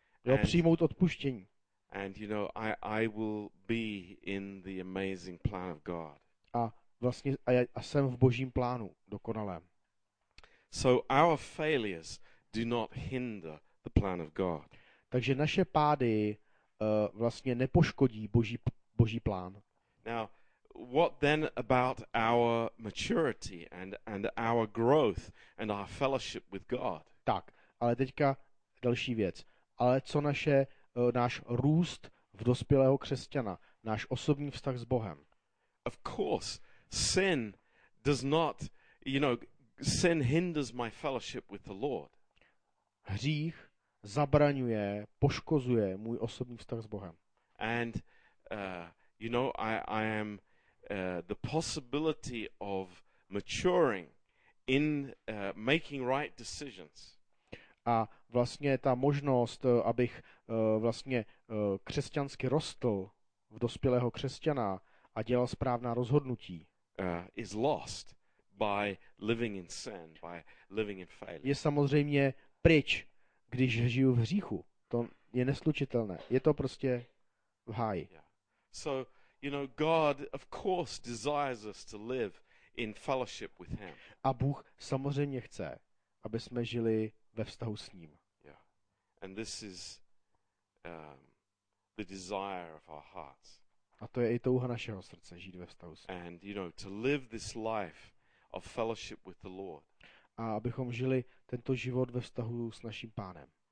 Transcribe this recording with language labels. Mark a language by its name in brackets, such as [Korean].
[Czech] Jo, přijmout odpuštění. [English] And you know, I will be in the amazing plan of God. [Czech] A vlastně a jsem v Božím plánu dokonalém. [English] So our failures do not hinder the plan of God. [Czech] Takže naše pády vlastně nepoškodí Boží plán. [English] Now, what then about our maturity and our growth and our fellowship with God? [Czech] Tak. Ale teďka další věc. Ale co naše, náš růst v dospělého křesťana, náš osobní vztah s Bohem? [English] Of course, sin does not, you know, sin hinders my fellowship with the Lord. [Czech] Hřích zabraňuje, poškozuje můj osobní vztah s Bohem. [English] And, you know, I am the possibility of maturing in making right decisions. [Czech] A vlastně ta možnost, abych vlastně křesťansky rostl v dospělého křesťana a dělal správná rozhodnutí, [English] is lost by living in sin, by living in failure. [Czech] Je samozřejmě pryč, když žiju v hříchu. To je neslučitelné. Je to prostě v háji. [English] So, you know, God of course desires us to live in fellowship with him. [Czech] A Bůh samozřejmě chce, aby jsme žili ve vztahu s ním. [English] Yeah. And this is the desire of our hearts. [Czech] A to je i touha našeho srdce, žít ve vztahu s ním. [English] And you know, to live this life of fellowship with the Lord. [Czech] A abychom žili tento život ve vztahu s naším Pánem.